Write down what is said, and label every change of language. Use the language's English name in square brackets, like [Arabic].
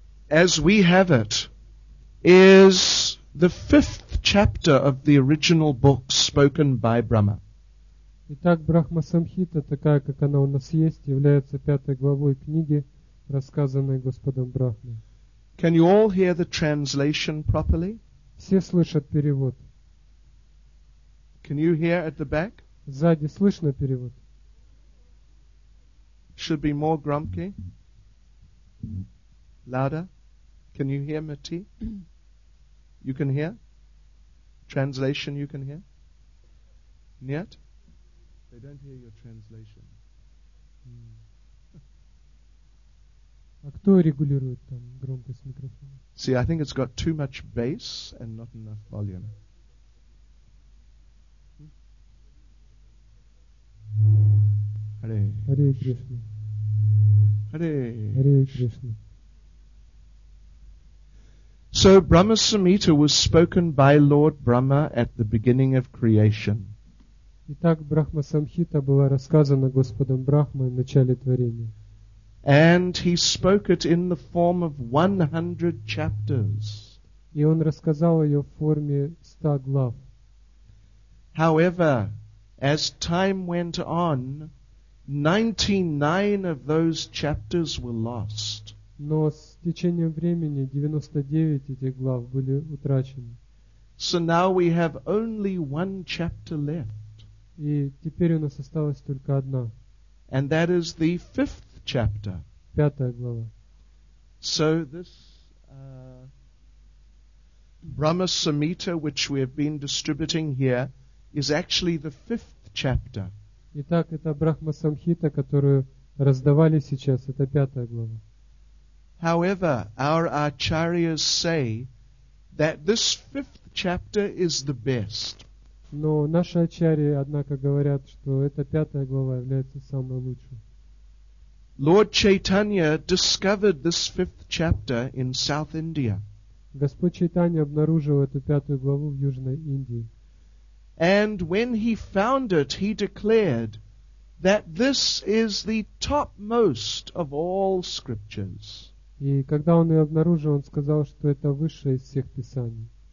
[English] as we have it, is the fifth chapter of the original book spoken by Brahma. [Russian] Итак, Брахма Самхита, такая, как она у нас есть, является пятой главой книги, рассказанной Господом Брахмой. [English] Can you all hear the translation properly? [Russian] Все слышат перевод? [English] Can you hear at the back? [Russian] Сзади слышно перевод? [English] Should be more grumpy. Louder. Can you hear, Mati? You can hear? Translation you can hear? [Russian] Нет? [English] They don't hear your translation. [Russian] А кто регулирует там громкость микрофона? [English] See, I think it's got too much bass and not enough volume. Hare Krishna. Hare Krishna. So Brahma Samhita was spoken by Lord Brahma at the beginning of creation. [Russian] Итак, Брахма Самхита была рассказана Господом Брахмой в начале творения. [English] And he spoke it in the form of 100 chapters. [Russian] И он рассказал ее в форме 100 глав. [English] However, as time went on, 99 of those chapters were lost. [Russian] Но с течением времени 99 этих глав были утрачены. [English] So now we have only one chapter left. [Russian] И теперь у нас осталась только одна. [English] And that is the fifth chapter. [Russian] Пятая глава. [English] So this Brahma Samhita, which we have been distributing here, is actually the fifth chapter. [Russian] Итак, это Брахма Самхита, которую раздавали сейчас, это пятая глава. [English] However, our acharyas say that this fifth chapter is the best. [Russian] Но наши ачарьи, однако, говорят, что эта пятая глава является самой лучшей. [English] Lord Chaitanya discovered this fifth chapter in South India. [Russian] Господь Чайтанья обнаружил эту пятую главу в Южной Индии. [English] And when he found it, he declared that this is the topmost of all scriptures. [Russian] И когда он ее обнаружил, он сказал, что это высшее из всех писаний.